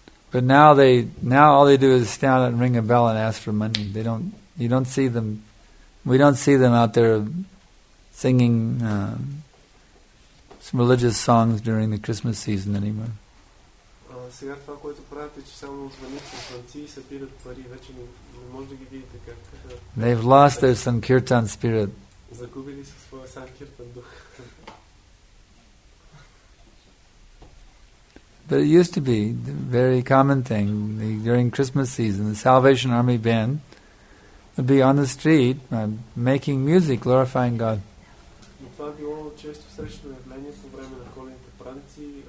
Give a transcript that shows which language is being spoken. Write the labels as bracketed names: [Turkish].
[English] But now all they do is stand and ring a bell and ask for money. We don't see them out there singing some religious songs during the Christmas season anymore. [Bulgarian] Сега това, което правите, че само звъните звънци и събират пари, вече не може да ги видите как. [English] They've lost their sankirtan spirit. [Bulgarian] Загубили са своя санкиртан дух. [English] But it used to be a very common thing during Christmas season. The Salvation Army band would be on the street making music, glorifying God. [Bulgarian] Но това било често срещано явление по време на коледните празници.